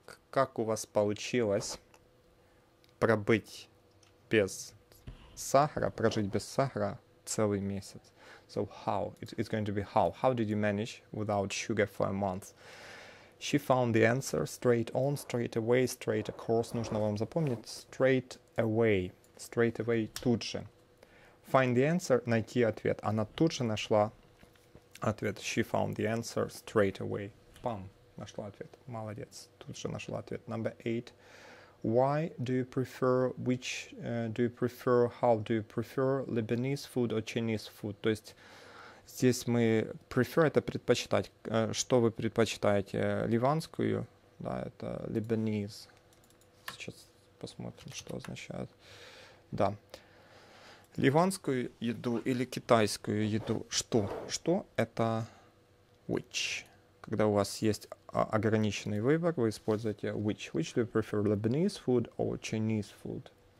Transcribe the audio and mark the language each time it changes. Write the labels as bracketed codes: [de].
[ru] Как у вас получилось пробыть без сахара, прожить без сахара целый месяц. [en] So how? It's going to be how. How did you manage without sugar for a month? She found the answer straight on, straight away, straight across. [ru] Нужно вам запомнить [en] straight away. Straight away [ru] тут же. [en] Find the answer, [ru] найти ответ. Она тут же нашла ответ. [en] She found the answer straight away. [ru] Пам, нашла ответ. Молодец. Тут же нашла ответ. [en] Number eight. Why do you prefer, which do you prefer, how do you prefer Lebanese food or Chinese food? [ru] То есть здесь мы prefer это предпочитать. Что вы предпочитаете? Ливанскую, да, это Lebanese. Сейчас посмотрим, что означает. Да. Ливанскую еду или китайскую еду? Что? Что это which? Когда у вас есть ограниченный выбор, вы используете which. [en] Which do you prefer, Lebanese food or Chinese food?